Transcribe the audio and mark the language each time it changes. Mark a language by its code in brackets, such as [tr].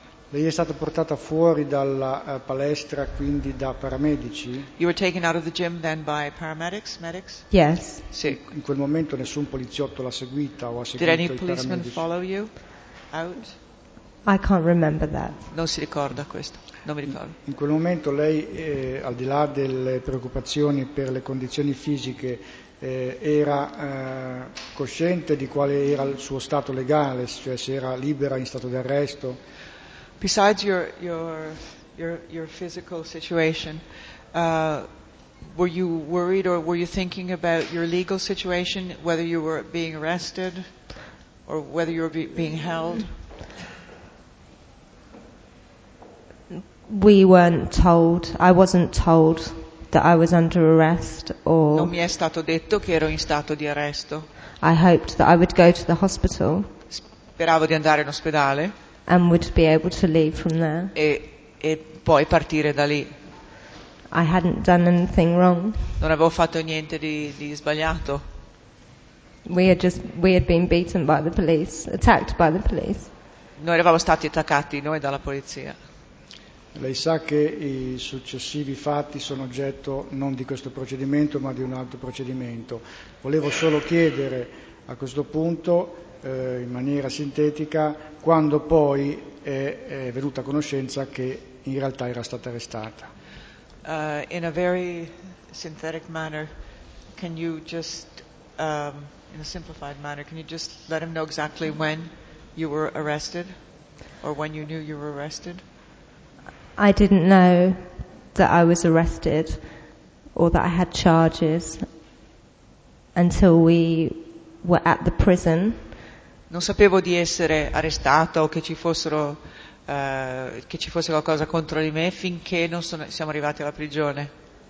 [it] Lei è stata portata fuori dalla palestra, quindi da paramedici? [en] You were taken out of the gym then by paramedics, medics? Yes. [it] Sì. In quel momento nessun poliziotto l'ha seguita o ha seguito i [en] paramedici. Did any policeman follow you out? I can't remember that. [it] Non si ricorda questo. Non mi ricordo. In quel momento lei, al di là delle preoccupazioni per le condizioni fisiche, era cosciente di quale era il suo stato legale, cioè se era libera in stato d'arresto? [en] Besides your physical situation, were you worried or were you thinking about your legal situation, whether you were being arrested or whether you were being held? We weren't told. I wasn't told that I was under arrest or. [it] Non mi è stato detto che ero in stato di arresto. [en] I hoped that I would go to the hospital. [it] Speravo di andare in ospedale. [en] And would be able to leave from there. [it] E poi partire da lì. [en] I hadn't done anything wrong. [it] Non avevo fatto niente di sbagliato. [en] We had been beaten by the police, attacked by the police. [it] Noi eravamo stati attaccati noi dalla polizia. Lei sa che i successivi fatti sono oggetto non di questo procedimento, ma di un altro procedimento. Volevo solo chiedere a questo punto, in maniera sintetica, quando poi è venuta a conoscenza che in realtà era stata arrestata. [en] In a very synthetic manner, can you just, in a simplified manner, can you just let him know exactly when you were arrested, or when you knew you were arrested? I didn't know that I was arrested or that I had charges until we were at the prison. [it] Non sapevo di essere arrestata o che ci fossero che ci fosse qualcosa contro di me finché non sono, siamo arrivati alla prigione.